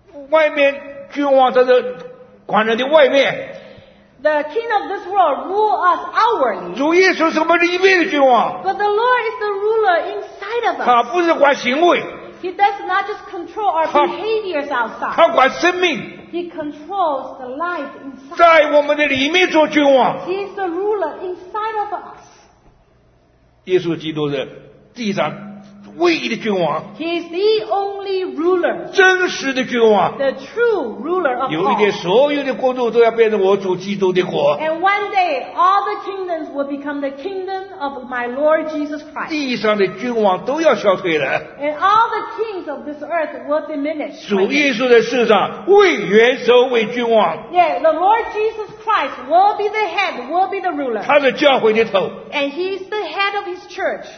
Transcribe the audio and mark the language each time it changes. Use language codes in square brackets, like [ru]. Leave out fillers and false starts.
[zh] 外面君王在这管人的外面。 [en] The King of this world rule us outwardly. [zh] 主耶稣是我们里面的君王。 [en] But the Lord is the ruler inside of us. [zh] 他不是管行为。 [en] He does not just control our behaviors outside. [zh] 他管生命。 [en] He controls the life inside. [zh] 在我们的里面做君王。 [en] He is the ruler inside of us. [zh] 耶稣基督是地上唯一的君王。 [en] He is the only ruler. [zh] 真实的君王。 [en] The true ruler of all. [zh] 有一天，所有的国度都要变成我主基督的国。 [en] And one day, all the kingdoms will become the kingdom of my Lord Jesus Christ. [zh] 地上的君王都要消退了。 [en] And all the kings of this earth will diminish. [zh] 主耶稣在世上为元首为君王。 [en] Yeah, the Lord Jesus Christ will be the head, will be the ruler. [zh] 他是教会的头。 [en] And he is the head of his church.